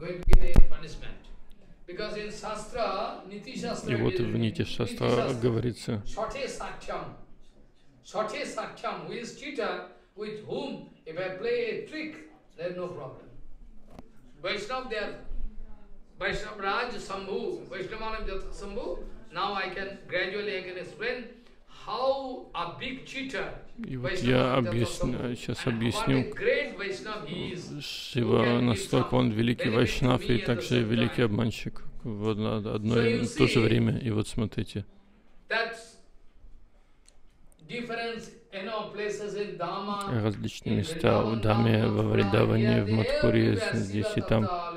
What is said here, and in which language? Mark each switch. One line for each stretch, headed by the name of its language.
Russian: И вот в Нити Шастра говорится.
English: Now I can gradually again explain how a big cheater.
Russian: И вот я сейчас объясню. Шива, настолько он великий вайшнав и также великий обманщик в одно и то же время. И вот смотрите. Различные места в Даме, во Вриндаване, в Матхуре, здесь и там.